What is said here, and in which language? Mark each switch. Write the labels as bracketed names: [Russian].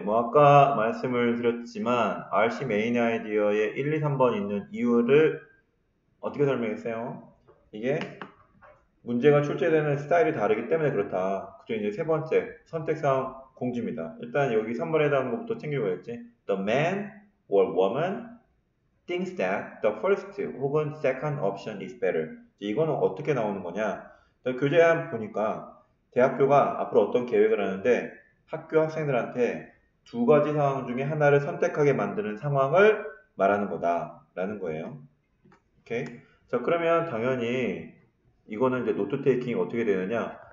[Korean] 뭐 아까 말씀을 드렸지만 RC 메인 아이디어에 1, 2, 3번 있는 이유를 어떻게 설명했어요? 이게 문제가 출제되는 스타일이 다르기 때문에 그렇다. 그중 이제 세 번째 선택 상황 공지입니다. 일단 여기 3번에 해당한 것부터 챙겨봐야지. [English] The man or woman thinks that the first [Korean] 혹은 [English] second option is better. [Korean] 이거는 어떻게 나오는 거냐? 교재에 보니까 대학교가 앞으로 어떤 계획을 하는데 학교 학생들한테 두 가지 상황 중에 하나를 선택하게 만드는 상황을 말하는 거다라는 거예요. 오케이. 자, 그러면 당연히 이거는 이제 노트 테이킹이 어떻게 되느냐?